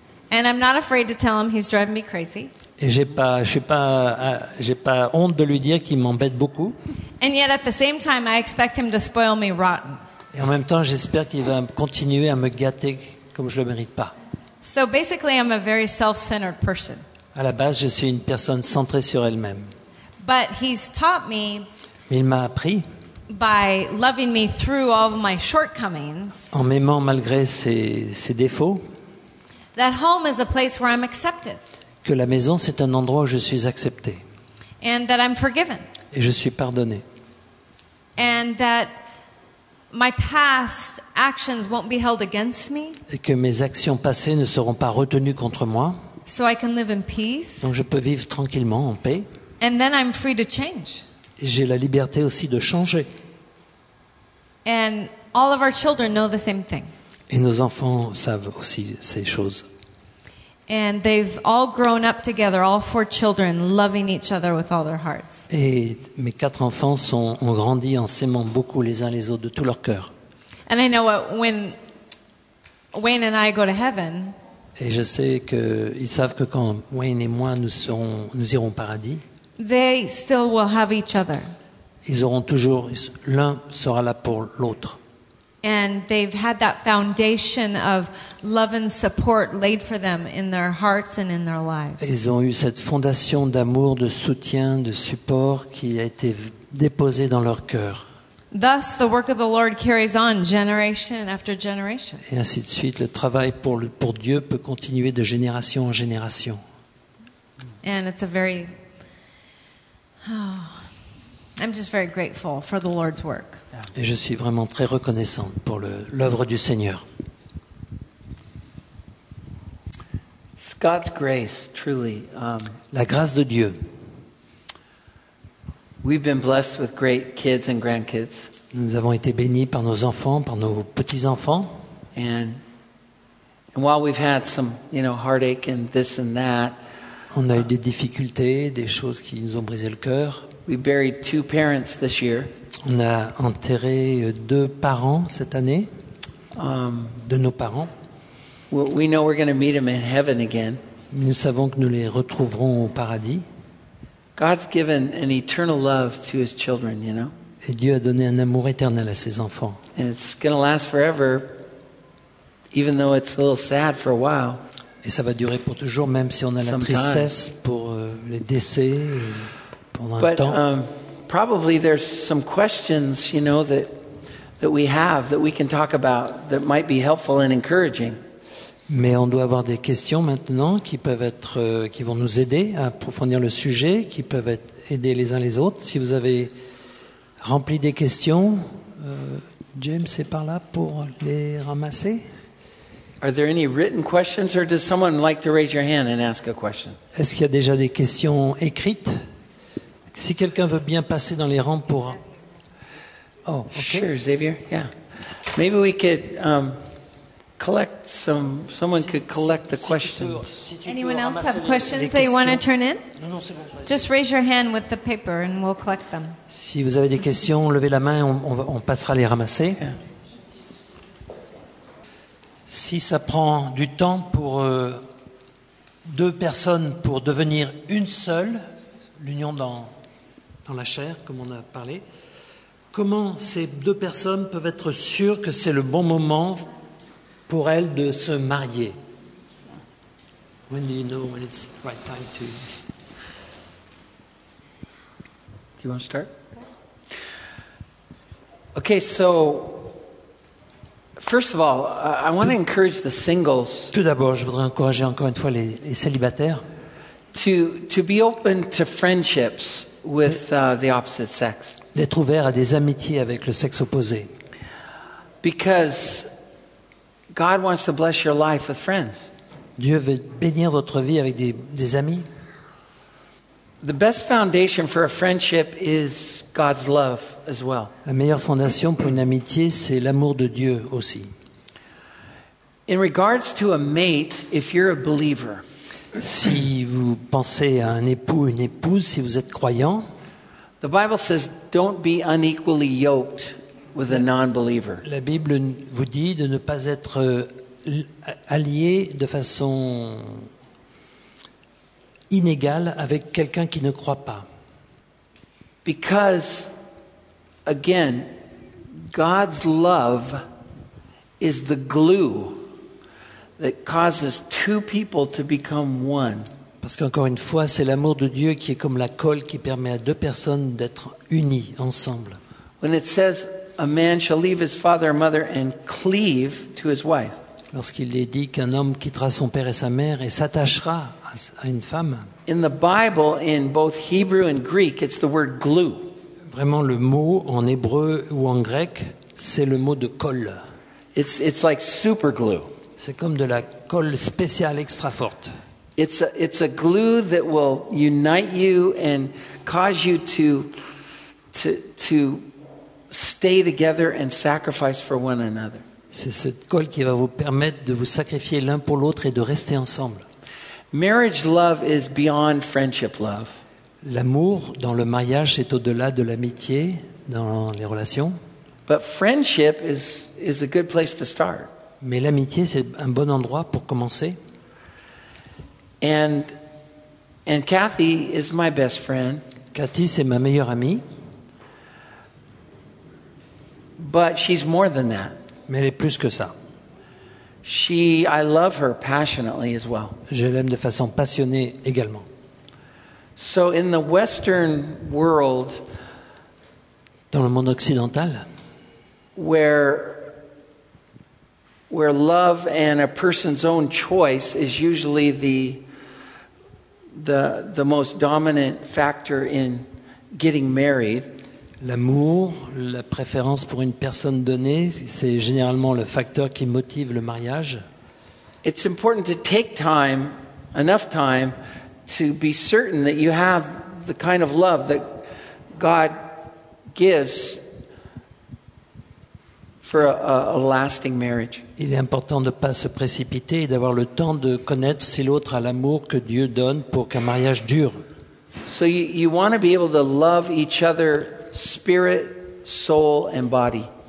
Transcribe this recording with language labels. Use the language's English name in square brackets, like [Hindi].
[English] And I'm not afraid to tell him he's driving me crazy. [French] Et j'ai pas honte de lui dire qu'il m'embête beaucoup. [English] And yet at the same time I expect him to spoil me rotten. [French] Et en même temps, j'espère qu'il va continuer à me gâter comme je le mérite pas. [English] So basically I'm a very self-centered person. [French] À la base, je suis une personne centrée sur elle-même. [English] But he's taught me. [French] Mais il m'a appris. [English] By loving me through all of my shortcomings. [French] En m'aimant malgré ses défauts. [English] That home is a place where I'm accepted. [French] Que la maison c'est un endroit où je suis accepté. [English] And that I'm forgiven. [French] Et je suis pardonné. [English] And that my past actions won't be held against me. [French] Et que mes actions passées ne seront pas retenues contre moi. [English] So I can live in peace. [French] Donc je peux vivre tranquillement en paix. [English] And then I'm free to change. [French] J'ai la liberté aussi de changer. [English] And all of our children know the same thing. [French] Et nos enfants savent aussi ces choses. [English] And they've all grown up together, all four children, loving each other with all their hearts. [French] Et mes quatre enfants ont grandi en s'aimant beaucoup les uns les autres de tout leur cœur. [English] And I know what, when Wayne and I go to heaven. [French] Et je sais que ils savent que quand Wayne et moi nous irons au paradis. [English] They still will have each other. [French] Ils auront toujours, l'un sera là pour l'autre. [English] And they've had that foundation of love and support laid for them in their hearts and in their lives. [French] Ils ont eu cette fondation d'amour, de soutien, de support qui a été déposée dans leur cœur. [English] Thus, the work of the Lord carries on generation after generation. [French] Et ainsi de suite, le travail pour Dieu peut continuer de génération en génération. [English] And it's a very I'm just very grateful for the Lord's work. [French] Et je suis vraiment très reconnaissante pour l'œuvre du Seigneur. [English] God's grace, truly. [French] La grâce de Dieu. [English] We've been blessed with great kids and grandkids. [French] Nous avons été bénis par nos enfants, par nos petits-enfants. [English] And while we've had some, you know, heartache and this and that, [French] on a eu des difficultés, des choses qui nous ont brisé le cœur. [English] We buried two parents this year. [French] On a enterré deux parents cette année, de nos parents. [English] We know we're going to meet them in heaven again. [French] Nous savons que nous les retrouverons au paradis. [English] God's given an eternal love to his children, you know. [French] Et Dieu a donné un amour éternel à ses enfants. [English] And it's going to last forever, even though it's a little sad for a while. [French] Et ça va durer pour toujours, même si on a la tristesse pour les décès pendant un temps. [English] Probably there's some questions, you know, that we have that we can talk about that might be helpful and encouraging. [French] Mais on doit avoir des questions maintenant qui vont nous aider à approfondir le sujet, qui peuvent aider les uns les autres. Si vous avez rempli des questions, James est par là pour les ramasser. [English] Are there any written questions, or does someone like to raise your hand and ask a question? [French] Est-ce qu'il y a déjà des questions écrites? Si quelqu'un veut bien passer dans les rangs pour [English] Oh, okay. Sure, Xavier. Yeah. Maybe we could collect some, someone could collect the questions. Anyone else have questions they want to turn in? Just raise your hand with the paper and we'll collect them. [French] Si vous avez des questions, levez la main, on passera les ramasser. Si ça prend du temps pour deux personnes pour devenir une seule, l'union dans la chair, comme on a parlé, comment ces deux personnes peuvent être sûres que c'est le bon moment pour elles de se marier? [English] When do you know when it's the right time to... Do you want to start? Okay, so... First of all, I want to encourage the singles. [French] Tout d'abord, je voudrais encourager encore une fois les célibataires. [English] To be open to friendships with the opposite sex. [French] D'être ouvert à des amitiés avec le sexe opposé. [English] Because God wants to bless your life with friends. [French] Dieu veut bénir votre vie avec des amis. [English] The best foundation for a friendship is God's love as well. [French] La meilleure fondation pour une amitié, c'est l'amour de Dieu aussi. [English] In regards to a mate, if you're a believer, [French] si vous pensez à un époux, une épouse, si vous êtes croyant, [English] the Bible says, don't be unequally yoked with a non-believer. [French] La Bible vous dit de ne pas être allié de façon inégal avec quelqu'un qui ne croit pas. [English] Because again, God's love is the glue that causes two people to become one. [French] Parce qu'encore une fois, c'est l'amour de Dieu qui est comme la colle qui permet à deux personnes d'être unies ensemble. [English] When it says a man shall leave his father and mother and cleave to his wife. [French] Lorsqu'il est dit qu'un homme quittera son père et sa mère et s'attachera à une femme. [English] In the Bible, in both Hebrew and Greek, it's the word glue. [French] Vraiment, le mot en hébreu ou en grec, c'est le mot de colle. [English] It's like super glue. [French] C'est comme de la colle spéciale extra forte. [English] It's a glue that will unite you and cause you to stay together and sacrifice for one another. [French] C'est cette colle qui va vous permettre de vous sacrifier l'un pour l'autre et de rester ensemble. [English] Marriage love is beyond friendship love. [French] L'amour dans le mariage est au-delà de l'amitié dans les relations. [English] But friendship is a good place to start. [French] Mais l'amitié c'est un bon endroit pour commencer. [English] And Kathy is my best friend. [French] Kathy c'est ma meilleure amie. [English] But she's more than that. [French] Mais elle est plus que ça. [English] I love her passionately as well. [French] Je l'aime de façon passionnée également. [English] So in the Western world, [French] dans le monde occidental, [English] where love and a person's own choice is usually the most dominant factor in getting married. [French] L'amour, la préférence pour une personne donnée, c'est généralement le facteur qui motive le mariage. [English] It's important to take time, enough time, to be certain that you have the kind of love that God gives for a lasting marriage. [French] Il est important de ne pas se précipiter et d'avoir le temps de connaître si l'autre a l'amour que Dieu donne pour qu'un mariage dure. [English] So you want to be able to love each other spirit, soul, and body.